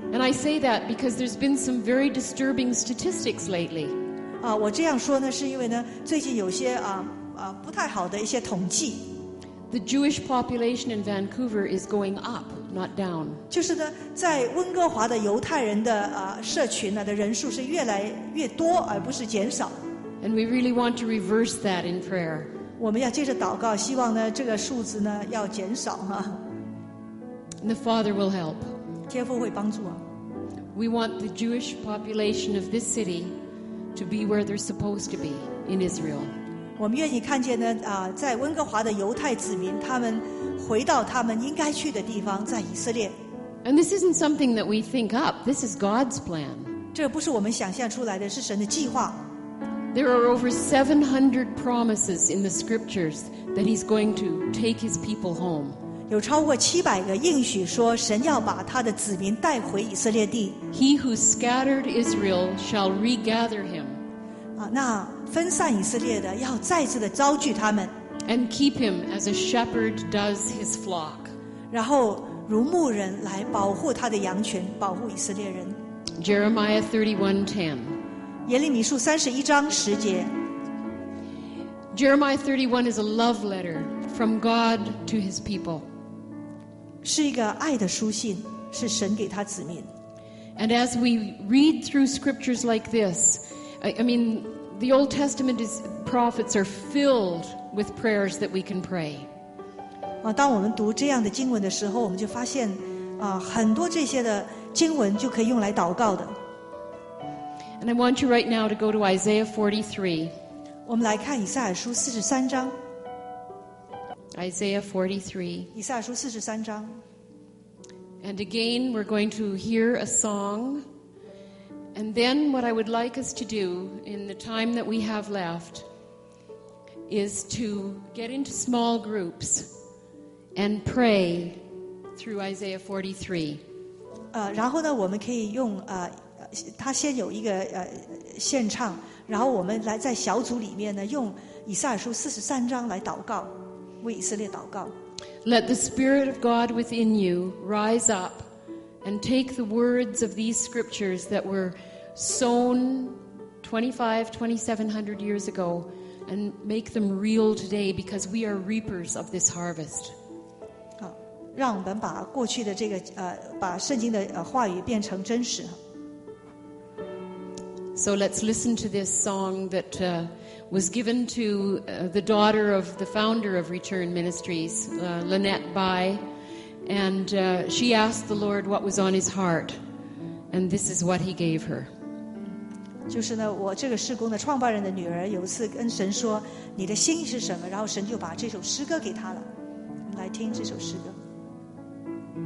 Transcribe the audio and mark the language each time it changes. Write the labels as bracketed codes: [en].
[en] And I say that because there's been some very disturbing statistics lately. [zh] 我这样说呢，是因为呢，最近有些不太好的一些统计。 [en] The Jewish population in Vancouver is going up, not down. [zh] 就是呢，在温哥华的犹太人的社群呢的人数是越来越多，而不是减少。 [en] And we really want to reverse that in prayer. [zh] 我们要接着祷告，希望呢这个数字呢要减少哈。 [en] The Father will help. [zh] 天父会帮助啊。 [en] We want the Jewish population of this city to be where they're supposed to be in Israel. [zh] 我们愿意看见呢，在温哥华的犹太子民，他们回到他们应该去的地方，在以色列。 [en] And this isn't something that we think up. This is God's plan. [zh] 这不是我们想象出来的，是神的计划。 [en] There are over 700 promises in the Scriptures that He's going to take His people home. [zh] 有超过700个应许说神要把他的子民带回以色列地。 [en] He who scattered Israel shall regather him. [zh] 那分散以色列的要再次的招聚他们。 [en] And keep him as a shepherd does his flock. [zh] 然后如牧人来保护他的羊群，保护以色列人。 [en] Jeremiah 31:10. [zh] 耶利米书31:10. [en] Jeremiah 31 is a love letter from God to his people. [zh] 是一个爱的书信，是神给他子民。 [en] And as we read through scriptures like this, I mean, the Old Testament is prophets are filled with prayers that we can pray. [zh] 当我们读这样的经文的时候，我们就发现，很多这些的经文就可以用来祷告的。 [en] And I want you right now to go to Isaiah 43. [zh] 我们来看以赛亚书43章。 [en] Isaiah 43. [zh] 以赛亚书43章。 [en] And again, we're going to hear a song. And then what I would like us to do in the time that we have left is to get into small groups and pray through Isaiah 43. [zh] 然后呢，我们可以用他先有一个献唱，然后我们来在小组里面呢，用以赛亚书43章来祷告。为以色列祷告。 [en] Let the Spirit of God within you rise up and take the words of these scriptures that were sown 2,500, 2,700 years ago and make them real today because we are reapers of this harvest. [zh] 好，让我们把过去的这个把圣经的话语变成真实。 [en] So let's listen to this song that was given to the daughter of the founder of Return Ministries, Lynette Bai. And she asked the Lord what was on his heart. And this is what he gave her. [zh] 就是呢，我这个事工的创办人的女儿有一次跟神说，你的心意是什么？然后神就把这首诗歌给她了，来听这首诗歌。